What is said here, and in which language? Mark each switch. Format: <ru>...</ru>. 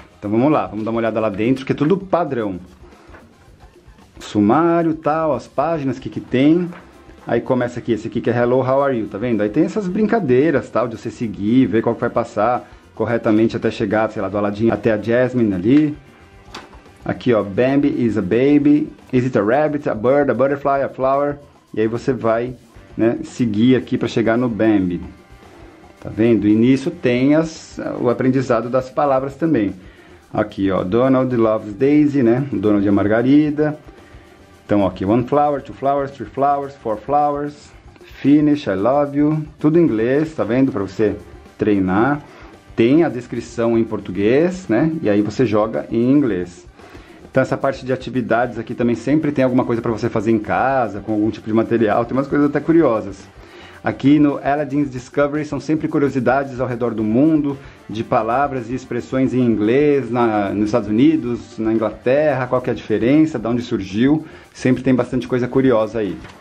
<pt>Então vamos lá, vamos dar uma olhada lá dentro, que é tudo padrão. Sumário, tal, as páginas, que tem. Aí começa aqui, esse aqui que é Hello, How Are You, tá vendo? Aí tem essas brincadeiras, tal, de você seguir, ver qual que vai passar corretamente até chegar, sei lá, do Aladdin até a Jasmine ali. Aqui, ó,</pt> <en>Bambi is a baby, is it a rabbit, a bird, a butterfly, a flower.</en> <pt>E aí você vai, né, seguir aqui pra chegar no Bambi. Tá vendo? E nisso tem o aprendizado das palavras também. Aqui, ó, Donald loves Daisy, né? Donald é Margarida. Então, ó, aqui,</pt> <en>one flower, two flowers, three flowers, four flowers. Finish, I love you.</en> <pt>Tudo em inglês, tá vendo? Pra você treinar. Tem a descrição em português, né? E aí você joga em inglês. Então, essa parte de atividades aqui também sempre tem alguma coisa pra você fazer em casa, com algum tipo de material. Tem umas coisas até curiosas. Aqui no Aladdin's Discovery são sempre curiosidades ao redor do mundo, de palavras e expressões em inglês, nos Estados Unidos, na Inglaterra, qual que é a diferença, de onde surgiu, sempre tem bastante coisa curiosa aí.</pt>